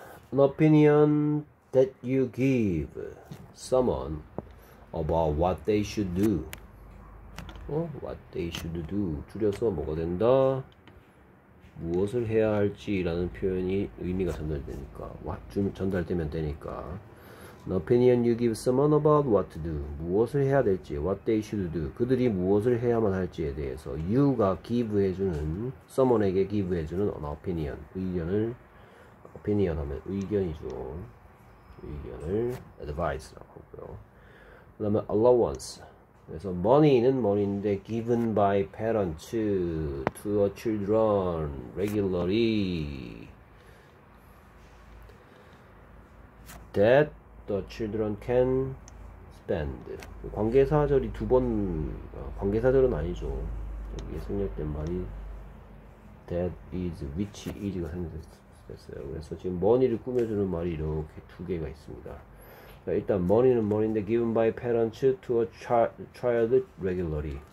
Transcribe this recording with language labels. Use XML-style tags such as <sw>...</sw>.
<en>An opinion that you give someone about what they should do. What they should do,</en> <ko>줄여서 뭐가 된다? 무엇을 해야 할지라는 표현이 의미가 전달되니까, 와, 전달되면 되니까.</ko> <en>An opinion you give someone about what to do.</en> <ko>무엇을 해야 될지,</ko> <en>what they should do.</en> <ko>그들이 무엇을 해야만 할지에 대해서, you가 give 해주는, someone에게 give 해주는 an opinion. 의견을, opinion 하면 의견이죠. 의견을 advice라고 하고요. 그 다음에 allowance.</ko> <en>그래서 money는 money인데 given by parents to a children regularly that the children can spend.</en> <ko>관계사절이 두 번, 관계사절은 아니죠. 여기에 생략된 말이 that is, which is가 그랬어요. 그래서 지금 머니를 꾸며주는 말이 이렇게 두 개가 있습니다. 일단 머니는 머니인데</ko> <en>given by parents to a child regularly.</en>